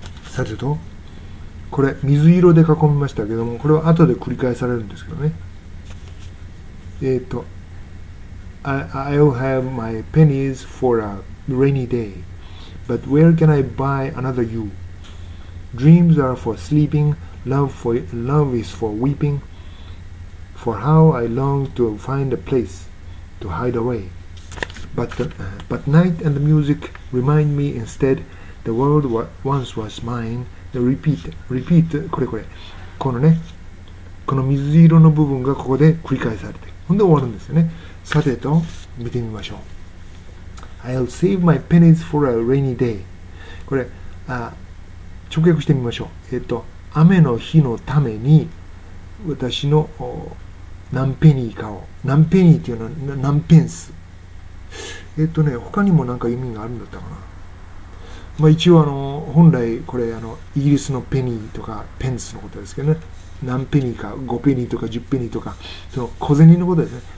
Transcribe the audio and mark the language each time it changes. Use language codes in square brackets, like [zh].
[ja] さてと、これ水色で囲みましたけども、これは後で繰り返されるんですけどね。 [en] I'll have my pennies for a rainy day, but where can I buy another you? Dreams are for sleeping, love is for weeping, for how I long to find a place to hide away. But night and the music remind me instead the world once was mine. Repeat, [ja] これ。このね、この水色の部分がここで繰り返されて、ほんで終わるんですよね。さてと、見てみましょう。 [en] I'll save my pennies for a rainy day. [ja] これ、直訳してみましょう。雨の日のために、私の何ペニーかを。何ペニーっていうのは何ペンス。他にも何か意味があるんだったかな。まあ、一応本来これイギリスのペニーとかペンスのことですけどね、何ペニーか5ペニーとか10ペニーとか、その小銭のことですね。